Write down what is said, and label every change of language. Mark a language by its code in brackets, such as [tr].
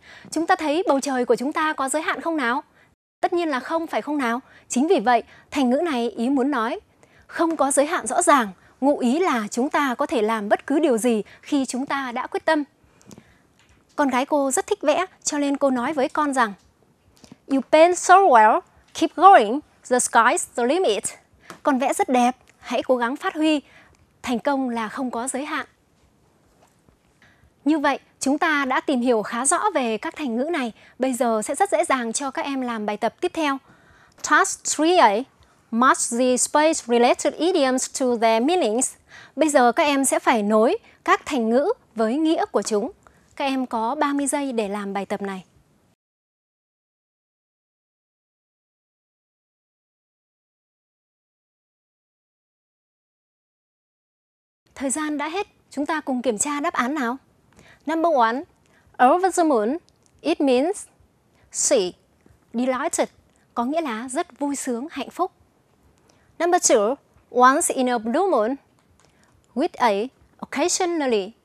[vi] Chúng ta thấy bầu trời của chúng ta có giới hạn không nào? Tất nhiên là không, phải không nào? Chính vì vậy, thành ngữ này ý muốn nói, không có giới hạn rõ ràng, ngụ ý là chúng ta có thể làm bất cứ điều gì khi chúng ta đã quyết tâm. Con gái cô rất thích vẽ, cho nên cô nói với con rằng, [en] you paint so well, keep going, the sky's the limit. [vi] Con vẽ rất đẹp, hãy cố gắng phát huy. Thành công là không có giới hạn. Như vậy, chúng ta đã tìm hiểu khá rõ về các thành ngữ này. Bây giờ sẽ rất dễ dàng cho các em làm bài tập tiếp theo. [en] Task 3A. Match the space-related idioms to their meanings. [vi] Bây giờ các em sẽ phải nối các thành ngữ với nghĩa của chúng. Các em có 30 giây để làm bài tập này. Thời gian đã hết, chúng ta cùng kiểm tra đáp án nào. [en] Number 1. Over the moon, it means sea. [vi] Delighted, có nghĩa là rất vui sướng, hạnh phúc. [en] Number 2. Once in a blue moon, with a occasionally,